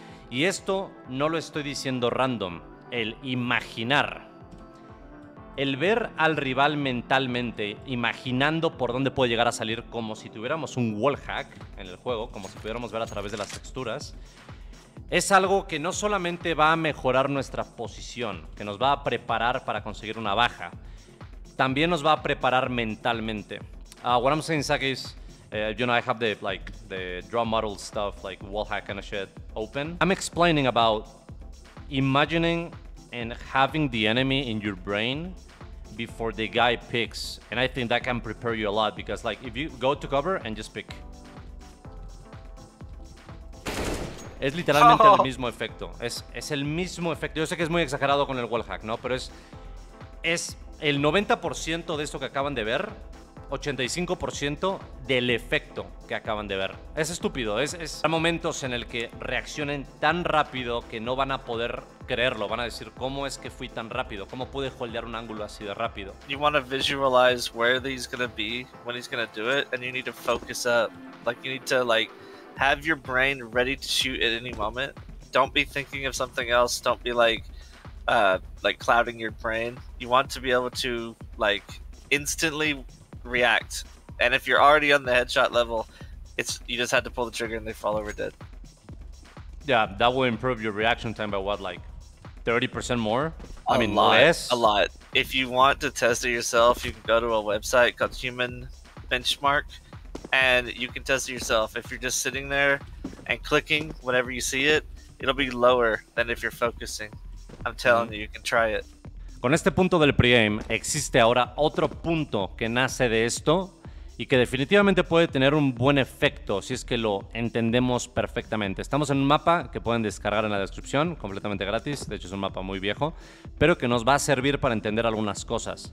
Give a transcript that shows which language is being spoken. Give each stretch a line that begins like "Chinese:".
Spanish: Y esto no lo estoy diciendo random, el imaginar, el ver al rival mentalmente, imaginando por dónde puede llegar a salir, como si tuviéramos un wall hack en el juego, como si pudiéramos ver a través de las texturas, es algo que no solamente va a mejorar nuestra posición, que nos va a preparar para conseguir una baja, también nos va a preparar mentalmente.
English: What I'm saying, Zack, is, you know, I have the drum model stuff, like wall hack kind of shit, open. I'm explaining about imagining and having the enemy in your brain before the guy picks. And I think that can prepare you a lot, because like, if you go to cover and just pick.
Spanish: Es literalmente el mismo efecto. Es el mismo efecto. Yo sé que es muy exagerado con el wallhack, ¿no? Pero es el 90% de esto que acaban de ver, 85% del efecto que acaban de ver. Es estúpido. Hay momentos en el que reaccionen tan rápido que no van a poder creerlo. Van a decir, ¿cómo es que fui tan rápido? ¿Cómo pude holdear un ángulo así de rápido?
English: You want to visualize where he's going to be when he's going to do it, and you need to focus up. Like, you need to, like, have your brain ready to shoot at any moment. Don't be thinking of something else. Don't be, like clouding your brain. You want to be able to, like, instantly react. And if you're already on the headshot level, you just had to pull the trigger and they fall over dead. Yeah, that will improve your reaction time by what, like 30% more? I mean, less? A lot. If you want to test it yourself, you can go to a website called Human Benchmark and you can test it yourself. If you're just sitting there and clicking whenever you see it, it'll be lower than if you're focusing. I'm telling you, you can try it.
Spanish: Con este punto del pregame, existe ahora otro punto que nace de esto y que definitivamente puede tener un buen efecto si es que lo entendemos perfectamente. Estamos en un mapa que pueden descargar en la descripción, completamente gratis. De hecho, es un mapa muy viejo, pero que nos va a servir para entender algunas cosas.